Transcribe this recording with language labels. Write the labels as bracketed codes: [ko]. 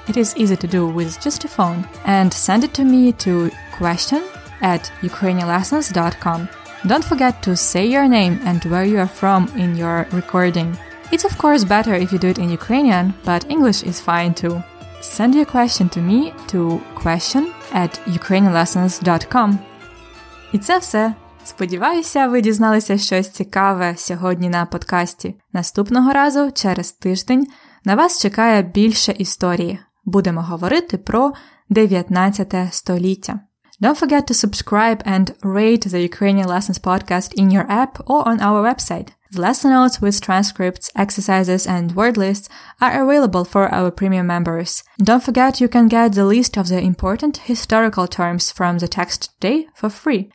[en] It is easy to do with just a phone. And send it to me to question@ukrainianlessons.com. Don't forget to say your name and where you are from in your recording. It's of course better if you do it in Ukrainian, but English is fine too. Send your question to me to question@ukrainianlessons.com. [uk] І це все. Сподіваюся, ви дізналися щось цікаве сьогодні на подкасті. Наступного разу, через тиждень, на вас чекає більше історії. Будемо говорити про 19 століття. [en] Don't forget to subscribe and rate the Ukrainian Lessons podcast in your app or on our website. The lesson notes with transcripts, exercises, and word lists are available for our premium members. Don't forget you can get the list of the important historical terms from the text today for free.